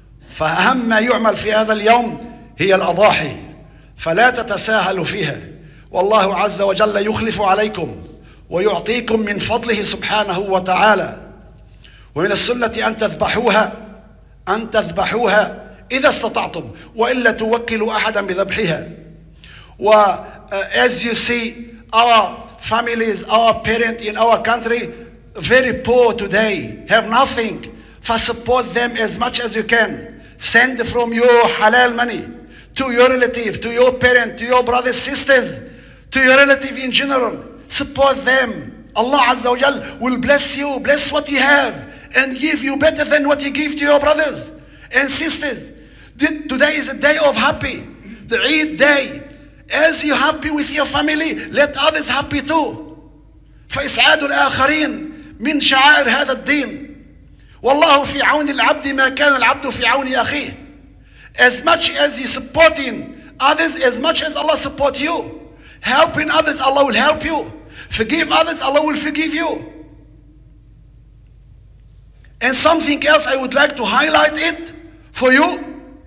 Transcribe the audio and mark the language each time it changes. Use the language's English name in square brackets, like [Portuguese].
[Arabic] فأهم ما يعمل في هذا اليوم هي الأضاحي، فلا تتساهلوا فيها، والله عز وجل يخلف عليكم ويعطيكم من فضله سبحانه وتعالى. ومن السنة أن تذبحوها، أن تذبحوها إذا استطعتم، وإلا توكلوا أحدا بذبحها. [English] و as you see our families, our parents in our country very poor today, have nothing, support them as much as you can. Send from your halal money to your relative, to your parent, to your brothers, sisters, to your relative in general. Support them. Allah Azza wa Jal will bless you, bless what you have, and give you better than what you give to your brothers and sisters. Today is a day of happy, the Eid day. As you're happy with your family, let others happy too. [Arabic] فإسعاد الآخرين من شعائر هذا الدين. والله في عون العبد ما كان العبد في عون أخيه. [English] As much as you supporting others, as much as Allah support you. Helping others, Allah will help you. Forgive others, Allah will forgive you. And something else I would like to highlight it for you.